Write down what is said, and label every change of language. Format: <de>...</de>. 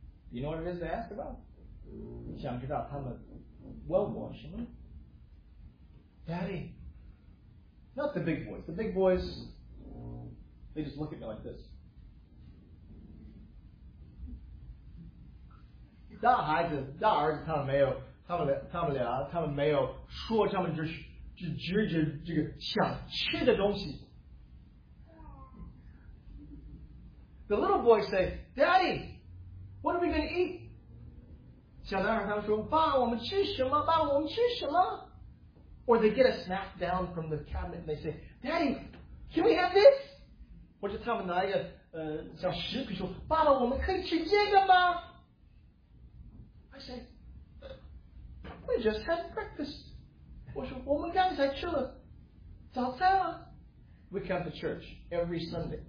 <en>You know what it is they ask about?</en> <zh>想知道他们问我什么？</zh> <en>Daddy, not the big boys. The big boys, they just look at me like this.</en> <zh>大孩子，大儿子，他们没有。他们俩，他们没有说他们这个想吃的东西。</zh> <en>The little boys say, Daddy, what are we going to eat?</en> <zh>小男孩他们说，爸，我们吃什么？爸，我们吃什么？</zh> <en>Or they get a snack down from the cabinet and they say, Daddy, can we have this?</en> <zh>或者他们拿一个小食品说，爸爸，我们可以吃这个吗？</zh> <en>I say, we just had breakfast.</en> <zh>我说我们刚才吃了早餐啊。</zh> <en>We come to church every Sunday.</en>